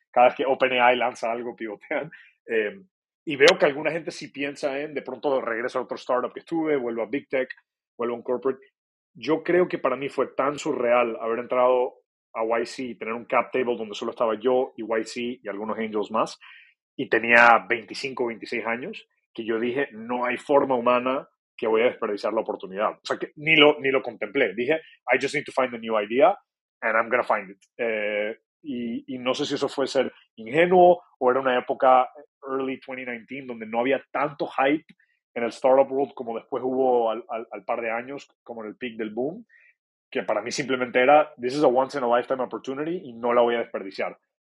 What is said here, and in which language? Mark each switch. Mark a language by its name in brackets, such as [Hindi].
[Spanish] Cada vez que OpenAI lanza algo, pivotean. Y veo que alguna gente sí piensa en, de pronto regreso a otro startup que estuve, vuelvo a Big Tech, vuelvo a un corporate. Yo creo que para mí fue tan surreal haber entrado a YC y tener un cap table donde solo estaba yo y YC y algunos angels más. Y tenía 25, 26 años, que yo dije, no hay forma humana que voy a desperdiciar la oportunidad. O sea, que ni lo contemplé. Dije, [English] I just need to find a new idea, and I'm gonna find it. [Spanish] Y no sé si eso fue ser ingenuo o era una época early 2019 donde no había tanto hype en el startup world como después hubo al par de años, como en el peak del boom, que para mí simplemente era, [English] this is a once in a lifetime opportunity [Spanish] y no la voy a desperdiciar.